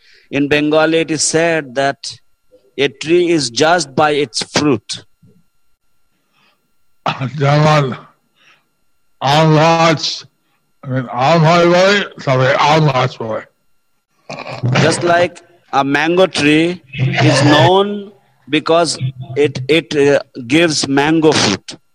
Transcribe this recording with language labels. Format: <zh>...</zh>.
<en>In Bengali it is said that a tree is judged by its fruit.</en> <bn>যেমন আম গাছ, আম হয় বলে তবে আম গাছ হয়.</bn> <en>Just like a mango tree is known because it gives mango fruit.</en>